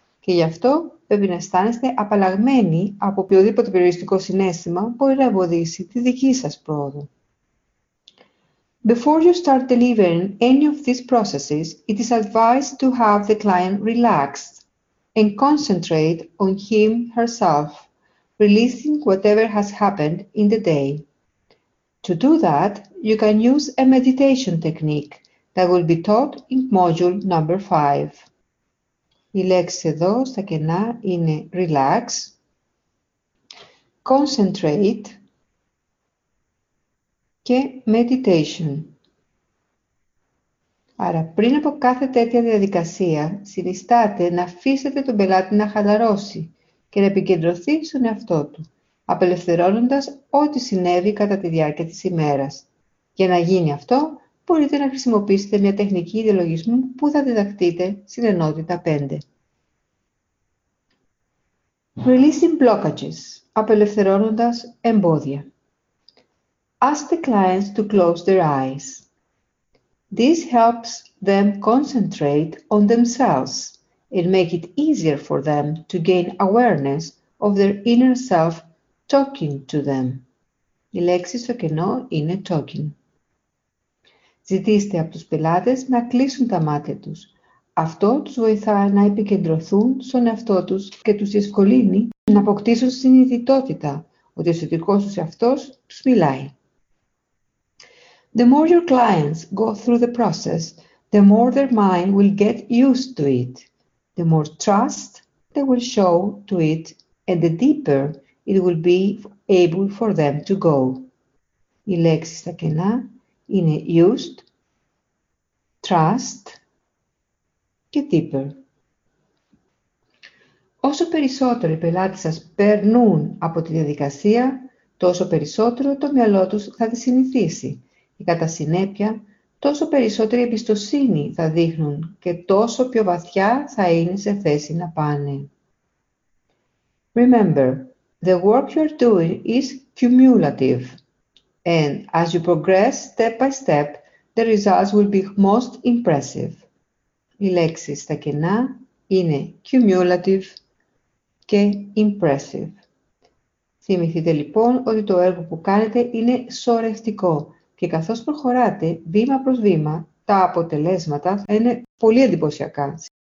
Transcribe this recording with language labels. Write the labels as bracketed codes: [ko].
[el] Και γι' αυτό πρέπει να αισθάνεστε απαλλαγμένοι από οποιοδήποτε περιοριστικό συνέστημα μπορεί να εμποδίσει τη δική σας πρόοδο. [en] Before you start delivering any of these processes, it is advised to have the client relaxed and concentrate on him herself, releasing whatever has happened in the day. To do that, you can use a meditation technique that will be taught in module number 5. [el] Η λέξη εδώ στα κενά είναι relax, concentrate και meditation. Άρα, πριν από κάθε τέτοια διαδικασία, συνιστάτε να αφήσετε τον πελάτη να χαλαρώσει και να επικεντρωθεί στον εαυτό του, απελευθερώνοντας ό,τι συνέβη κατά τη διάρκεια της ημέρας. Για να γίνει αυτό, μπορείτε να χρησιμοποιήσετε μια τεχνική ιδεολογισμού που θα διδαχτείτε στην ενότητα 5. [en] Releasing blockages, [el] απελευθερώνοντας εμπόδια. [en] Ask the clients to close their eyes. This helps them concentrate on themselves and make it easier for them to gain awareness of their inner self talking to them. [el] Η λέξη στο κενό είναι talking. Ζητήστε από τους πελάτες να κλείσουν τα μάτια τους. Αυτό τους βοηθά να επικεντρωθούν στον εαυτό τους και τους διευκολύνει να αποκτήσουν συνειδητότητα ότι ο εσωτερικός τους εαυτός τους μιλάει. [en] The more your clients go through the process, the more their mind will get used to it. The more trust they will show to it and the deeper it will be able for them to go. [el] Η λέξη στα κενά είναι used, trust και deeper. Όσο περισσότερο οι πελάτες σας περνούν από τη διαδικασία, τόσο περισσότερο το μυαλό τους θα τη συνηθίσει. Και κατά συνέπεια, τόσο περισσότερη εμπιστοσύνη θα δείχνουν και τόσο πιο βαθιά θα είναι σε θέση να πάνε. [en] Remember, the work you are doing is cumulative. And as you progress step by step, the results will be most impressive. [el] Οι λέξεις στα κενά είναι cumulative και impressive. Θυμηθείτε λοιπόν ότι το έργο που κάνετε είναι σορευτικό και καθώς προχωράτε βήμα προς βήμα, τα αποτελέσματα θα είναι πολύ εντυπωσιακά.